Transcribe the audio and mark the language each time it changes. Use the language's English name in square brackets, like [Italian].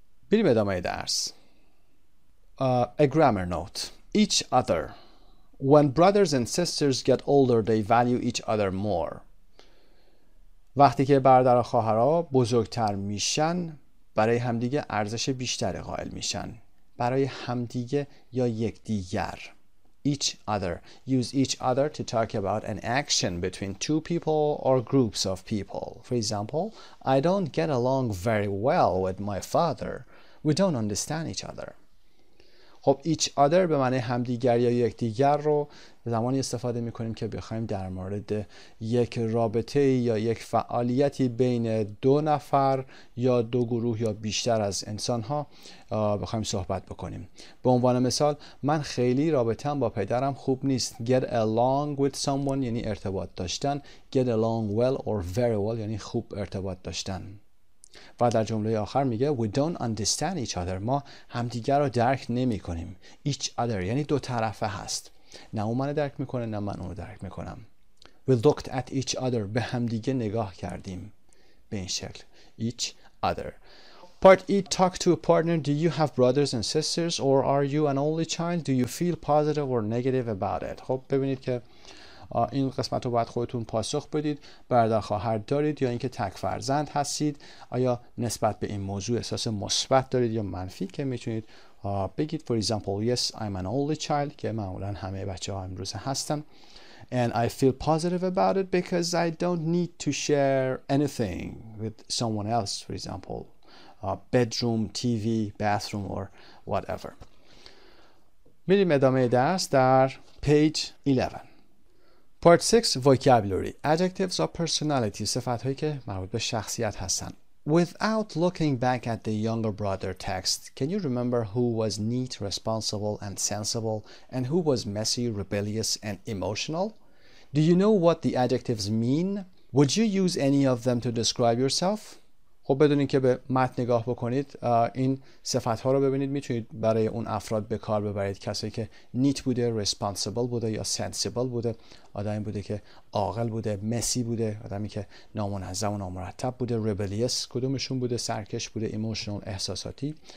[Persian] بریم ادامه درس. [English] A grammar note، [Persian] each other، [English] when brothers and sisters get older they value each other more، [Persian] وقتی که برادر و خواهرها بزرگتر میشن برای همدیگه ارزش بیشتری قائل میشن، برای همدیگه یا یک دیگر. [English] each other، use each other to talk about an action between two people or groups of people، for example I don't get along very well with my father، we don't understand each other. [Persian] خب each other به معنی همدیگر یا یک دیگر رو زمانی استفاده میکنیم که بخوایم در مورد یک رابطه یا یک فعالیتی بین دو نفر یا دو گروه یا بیشتر از انسان ها بخوایم صحبت بکنیم. به عنوان مثال، من خیلی رابطه‌ام با پدرم خوب نیست. [English] Get along with someone [Persian] یعنی ارتباط داشتن. [English] Get along well or very well [Persian] یعنی خوب ارتباط داشتن. و در جمله آخر میگه [English] We don't understand each other. [Persian] ما همدیگر رو درک نمی کنیم. Each other یعنی دو طرفه هست. نه او من درک میکنه نه من اون رو درک میکنم. [English] We looked at each other. [Persian] به همدیگه نگاه کردیم. به این شکل. [English] Each other. Part E. Talk to a partner. Do you have brothers and sisters or are you an only child? Do you feel positive or negative about it? [Persian] خب ببینید که این قسمت رو باید خودتون پاسخ بدید. برادر خواهر دارید یا اینکه تک فرزند هستید؟ آیا نسبت به این موضوع احساس مثبت دارید یا منفی؟ که میتونید بگید [English] for example yes I'm an only child [Persian] که معمولا همه بچه ها امروز هستن. [English] And I feel positive about it because I don't need to share anything with someone else, for example bedroom, TV, bathroom or whatever. [Persian] میریم ادامه درس در page 11. [English] Part 6 Vocabulary. Adjectives of personality. [Persian] صفت هایی که مربوط به شخصیت هستن. [English] Without looking back at the younger brother text, can you remember who was neat, responsible and sensible and who was messy, rebellious and emotional? Do you know what the adjectives mean? Would you use any of them to describe yourself? [Persian] خب بدونین که به متن نگاه بکنید این صفت ها رو ببینید میتونید برای اون افراد به کار ببرید، کسی که نیت بوده، ریسپانسیبل بوده یا سنسیبل بوده، آدمی بوده که عاقل بوده، مسی بوده، آدمی که نامنظم و نامرتب بوده، ریبلیس کدومشون بوده، سرکش بوده، ایموشنال احساساتی.